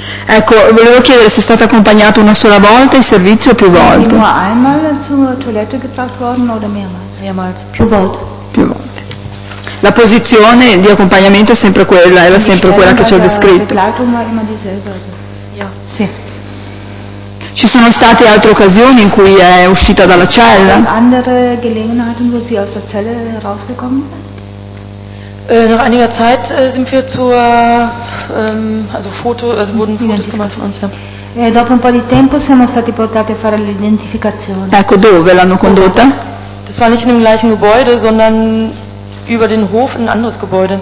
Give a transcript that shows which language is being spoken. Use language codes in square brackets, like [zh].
[it] Ecco, volevo chiedere se è stata accompagnata una sola volta in servizio o più volte. [de] Sono einmal zur Toilette gebracht worden oder mehrmals? Mehrmals. [it] Più volte. Più volte. La posizione di accompagnamento è sempre quella, era sempre quella che ci ha descritto. [de] Begleitung war immer dieselbe. Ja. [it] Sì. Ci sono state altre occasioni in cui è uscita dalla cella? [de] Andere Gelegenheiten, wo sie aus der Zelle rausgekommen? Nach einiger Zeit sind wir zur also Foto also wurden Fotos gemacht von uns, ja. [it] E dopo un po' di tempo siamo stati portati a fare l'identificazione. Ecco, dove l'hanno condotta? [de] Das war nicht in dem gleichen Gebäude, sondern über den Hof in ein anderes Gebäude.